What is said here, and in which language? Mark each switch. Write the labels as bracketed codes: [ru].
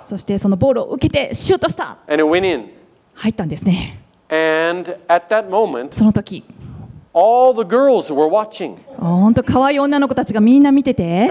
[ja] そしてそのボールを受けてシュートした。 [en] And it went in. [ja] 入ったんですね。 [en] And at that moment, [ja] その時、 [en] All the girls were watching. [ja] 本当可愛い女の子たちがみんな見てて。